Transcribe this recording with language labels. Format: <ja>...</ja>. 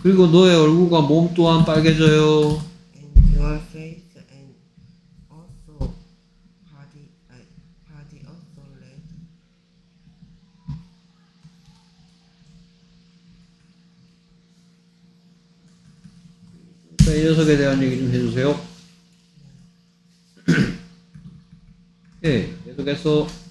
<ko>그리고 너의 얼굴과 몸 또한 빨개져요.</ko> <en>And your face and also body also red.</en> <ko>이 녀석에 대한 얘기 좀 해주세요. 네, 계속해서.</ko>